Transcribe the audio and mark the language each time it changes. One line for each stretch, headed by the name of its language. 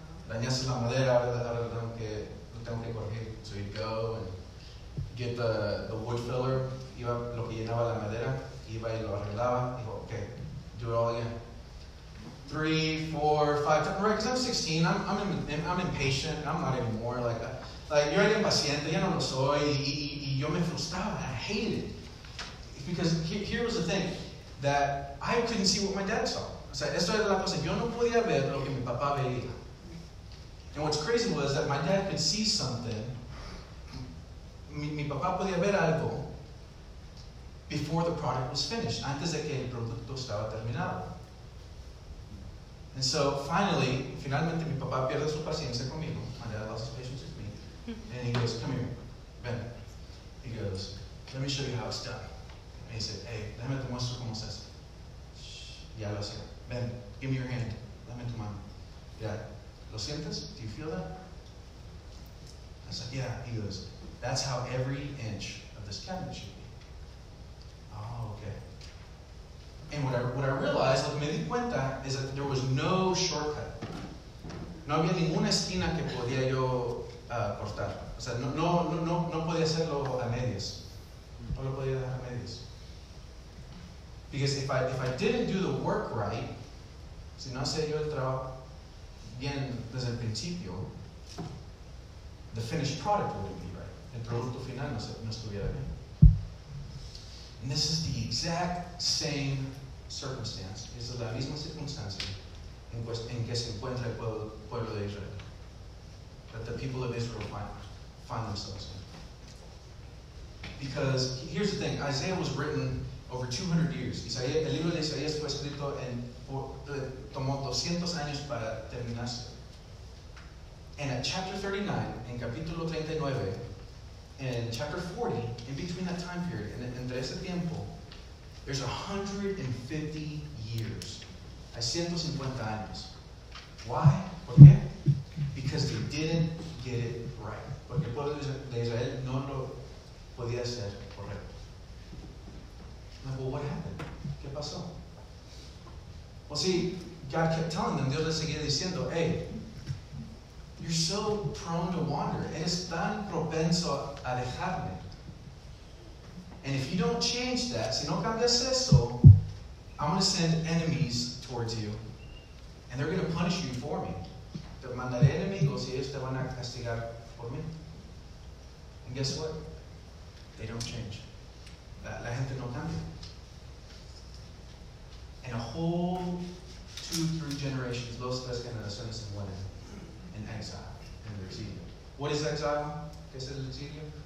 Spanish: Dañaste la madera,
English: so he'd go and get the wood filler,
Spanish: iba lo que llenaba la madera, iba y lo arreglaba, y
English: go, okay, do it all again. 3, 4, 5 times, right, because I'm 16, I'm impatient, I'm not anymore, like
Spanish: yo era impaciente, ya no lo soy, y yo me frustraba,
English: and I hated it. Because here was the thing, that I couldn't see what my dad saw.
Spanish: O sea, esto era la cosa, yo no podía ver lo que mi papá veía.
English: And what's crazy was that my dad could see something.
Spanish: Mi papá podía ver algo
English: before the product was finished,
Spanish: antes de que el producto estaba terminado.
English: And so,
Spanish: finalmente, mi papá pierde su paciencia conmigo.
English: My dad lost his patience with me. And he goes, come here, Ben. He goes, let me show you how it's done. And he said, hey,
Spanish: déjame te muestro cómo se hace. Ya lo sé.
English: Ben, give me your hand.
Spanish: Déjame tu mano.
English: Dad.
Spanish: Lo sientes?
English: Do you feel that? I said, yeah. He goes, that's how every inch of this cabinet should be. Oh, okay. And what I realized,
Spanish: lo que me di cuenta,
English: is that there was no shortcut.
Spanish: No había ninguna esquina que podía yo cortar. O sea, no podía hacerlo a medias. No lo podía dejar a medias.
English: Because if I didn't do the work right,
Spanish: si no hacía yo el trabajo bien desde el principio,
English: the finished product wouldn't be right.
Spanish: El producto final no estuviera bien.
English: And this is the exact same circumstance.
Spanish: Es la misma circunstancia en que se encuentra el pueblo de Israel.
English: That the people of Israel find themselves in. Because here's the thing, Isaiah was written over 200 years.
Spanish: Isaiah, el libro de Isaías fue escrito en, tomó 200 años para terminarse.
English: And at chapter 39,
Spanish: en capítulo 39,
English: and chapter 40, in between that time period, and
Spanish: entre ese tiempo,
English: there's 150 years.
Spanish: Hay 150 años.
English: Why?
Spanish: ¿Por qué?
English: Because they didn't get it right.
Spanish: Porque el pueblo de Israel no lo podía hacer correcto.
English: Like, well, what happened?
Spanish: ¿Qué pasó?
English: Well, see, God kept telling them,
Spanish: Dios les seguía diciendo,
English: hey, you're so prone to wander.
Spanish: Eres tan propenso a dejarme.
English: And if you don't change that,
Spanish: si no cambias eso,
English: I'm going to send enemies towards you. And they're going to punish you for me.
Spanish: Te mandaré enemigos y ellos te van a castigar por mí.
English: And guess what? They don't change.
Spanish: La gente no cambia.
English: And a whole 2-3 generations,
Spanish: dos, tres generaciones se mueren
English: in exile, in the exilio. What is exile?
Spanish: ¿Qué es el exilio?